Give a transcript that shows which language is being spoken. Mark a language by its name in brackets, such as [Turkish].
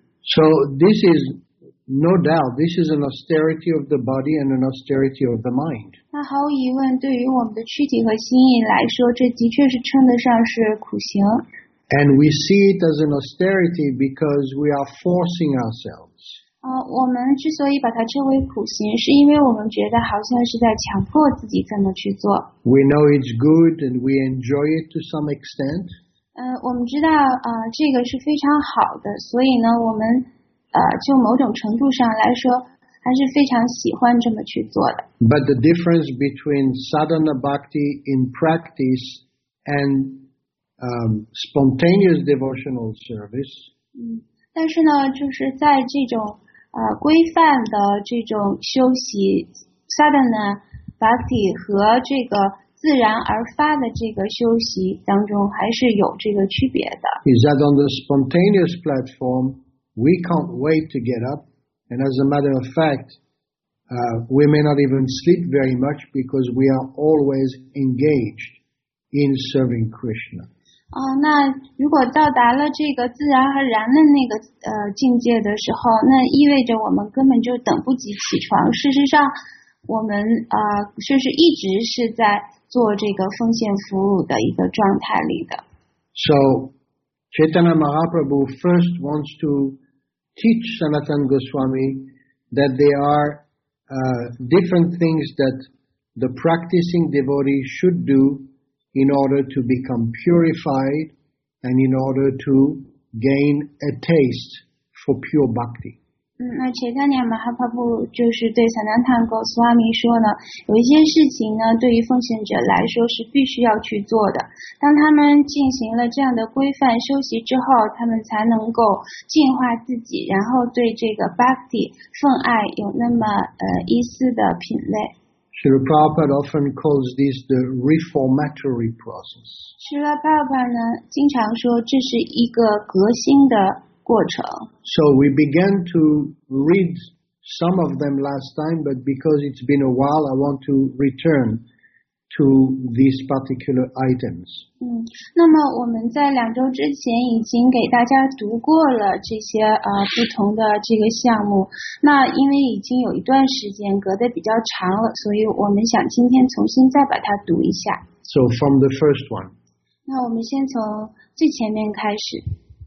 [English] So this is no doubt, this is an austerity of the body and an austerity of the mind. [Chinese] 那毫无疑问，对于我们的躯体和心意来说，这的确是称得上是苦行。 [English] And we see it as an austerity because we are forcing ourselves. [Chinese] 我们之所以把它称为苦行，是因为我们觉得好像是在强迫自己这么去做。 [English] We know it's good and we enjoy it to some extent. [Chinese] 我们知道这个是非常好的，所以呢，我们就某种程度上来说还是非常喜欢这么去做的。 [English] But the difference between sadhana bhakti in practice and spontaneous devotional service, [Chinese] 但是呢，就是在这种规范的这种修习 sadhana bhakti 和这个自然而发的这个修习当中还是有这个区别的。 [English] Is that on the spontaneous platform? We can't wait to get up, and as a matter of fact, we may not even sleep very much because we are always engaged in serving Krishna. [Chinese] 那如果到达了这个自然而然的那个境界的时候，那意味着我们根本就等不及起床。事实上，我们就是一直是在做这个奉献服务的一个状态里的。 [English] So, Chaitanya Mahaprabhu first wants to teach Sanatan Goswami that there are different things that the practicing devotee should do in order to become purified and in order to gain a taste for pure bhakti. [Chinese] 那 Chaitanya Mahaprabhu 就是对 Sanatan Goswami 说呢，有一些事情呢，对于奉献者来说是必须要去做的。当他们进行了这样的规范修习之后，他们才能够净化自己，然后对这个 bhakti 奉爱有那么一丝的品类。 [English] Srila Prabhupada often calls this the reformatory process. [Chinese] Srila Prabhupada 呢，经常说这是一个革新的。 [English] So we began to read some of them last time, but because it's been a while, I want to return to these particular items. [Chinese] 那么我们在两周之前已经给大家读过了这些不同的这个项目。那因为已经有一段时间隔得比较长了，所以我们想今天重新再把它读一下。 [English] So from the first one. [Chinese] 那我们先从最前面开始。